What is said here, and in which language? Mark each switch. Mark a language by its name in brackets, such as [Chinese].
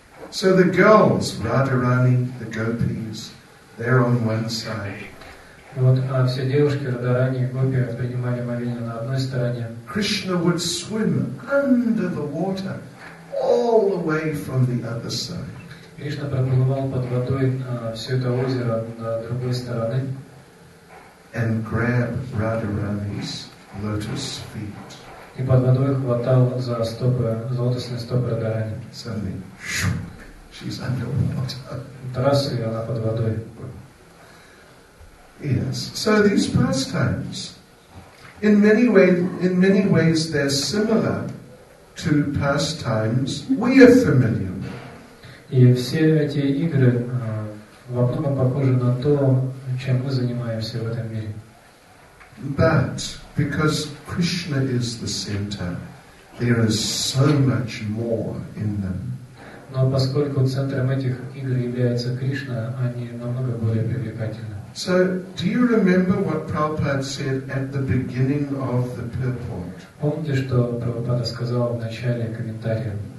[English] So the girls, Radharani, the gopis, they're on one side. [Russian] Вот все девушки, Радарани и гопи, принимали омовение на одной стороне. [English] Krishna would swim under the water, all the way from the other side. [Russian] Кришна проплывал под водой все это озеро на другой стороны. [English] And grab Radharani's lotus feet. [Russian] И под водой хватал за стопы, за лотосные стопы Радарани. [English] Suddenly, she's underwater. [Russian] Раз, и она под водой. [English] Yes. So these pastimes, in many ways, they're similar to pastimes we are familiar with. [Russian] И все эти игры во многом похожи на то, чем мы занимаемся в этом мире. [English] But because Krishna is the center, there is so much more in them. [Russian] Но поскольку центром этих игр является Кришна, они намного более привлекательны. [English] So, do you remember what Prabhupada said at the beginning of the purport? [Russian] Помните, что Прабхупада сказал в начале комментария?